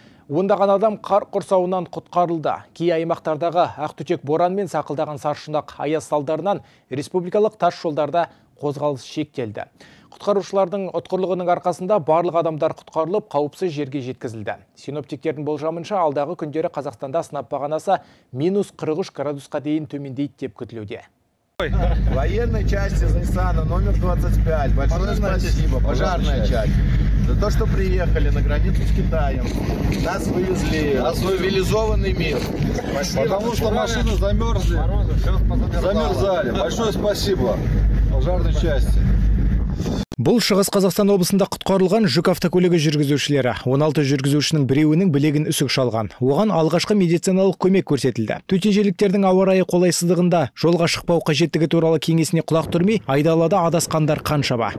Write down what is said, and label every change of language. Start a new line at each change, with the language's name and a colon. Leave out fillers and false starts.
Kazakh: Ондаған адам қар құрсауынан құтқарылды. Кей аймақтардағы ақтүтек боран мен сақылдаған саршұнақ аяз салдарынан республикалық тас жолдарда қозғалыс шектелді. Құтқарушылардың ұтқырлығының арқасында барлық адамдар құтқарылып, қауіпсіз жерге жеткізілді. Синоптиктердің болжамынша, алдағы күндері Қазақстанда сынап бағанасы минус 43 градусқа дейін төмендейді деп күтілуде.
Russian: Военной части из Ниссана номер 25. Большое спасибо. Пожарная часть. За то, что приехали на границу с Китаем. Нас вывезли. Цивилизованный мир. Спасибо. Потому что машины замерзли. Замерзали. Большое спасибо. Пожарной части.
Kazakh: Бұл Шығыс Қазақстан облысында құтқарылған жүк автокөлігі жүргізушілері. 16 жүргізушінің біреуінің білегін үсік шалған. Оған алғашқы медициналық көмек көрсетілді. Төтеншеліктердің ауа-райы қолайсыздығында жолға шықпау қажеттігі туралы кеңесіне құлақ түрмей, айдалада адасқандар қаншаба.